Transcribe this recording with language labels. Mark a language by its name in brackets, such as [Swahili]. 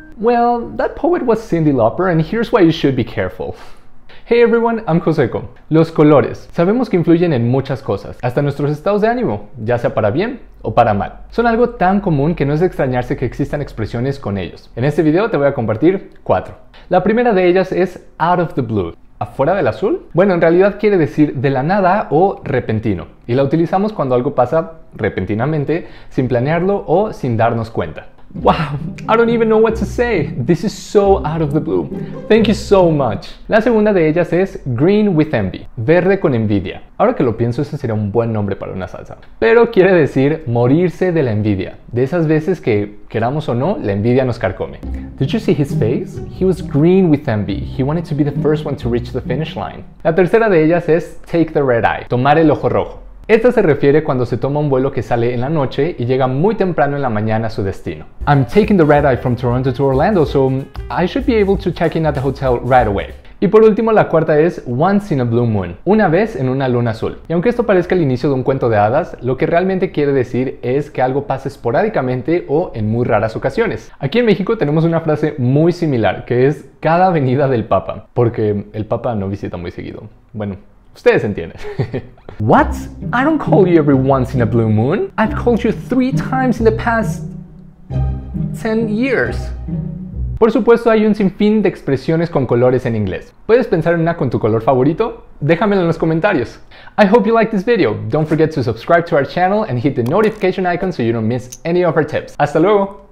[English] Well, that poet was Cyndi Lauper, and here's why you should be careful. Hey everyone, I'm Joseco. [Spanish] Los colores. Sabemos que influyen en muchas cosas, hasta nuestros estados de ánimo, ya sea para bien o para mal. Son algo tan común que no es de extrañarse que existan expresiones con ellos. En este video te voy a compartir 4. La primera de ellas es out of the blue. ¿Afuera del azul? Bueno, en realidad quiere decir de la nada o repentino. Y la utilizamos cuando algo pasa repentinamente, sin planearlo o sin darnos cuenta. [English] Wow, I don't even know what to say. This is so out of the blue. Thank you so much. [Spanish] La segunda de ellas es [English] green with envy. [Spanish] Verde con envidia. Ahora que lo pienso, ese sería un buen nombre para una salsa. Pero quiere decir morirse de la envidia. De esas veces que, queramos o no, la envidia nos carcome. [English] Did you see his face? He was green with envy. He wanted to be the first one to reach the finish line. [Spanish] La tercera de ellas es take the red eye. Tomar el ojo rojo. Esta se refiere cuando se toma un vuelo que sale en la noche y llega muy temprano en la mañana a su destino. [English] I'm taking the red eye from Toronto to Orlando, so I should be able to check in at the hotel right away. [Spanish] Y por último, la cuarta es once in a blue moon, una vez en una luna azul. Y aunque esto parezca el inicio de un cuento de hadas, lo que realmente quiere decir es que algo pasa esporádicamente o en muy raras ocasiones. Aquí en México tenemos una frase muy similar, que es cada venida del Papa, porque el Papa no visita muy seguido. Bueno, ustedes entienden. [English] What? I don't call you every once in a blue moon. I've called you 3 times in the past 10 years. [Spanish] Por supuesto, hay un sinfín de expresiones con colores en inglés. ¿Puedes pensar en una con tu color favorito? Déjamelo en los comentarios. [English] I hope you liked this video. Don't forget to subscribe to our channel and hit the notification icon so you don't miss any of our tips. [Spanish] Hasta luego.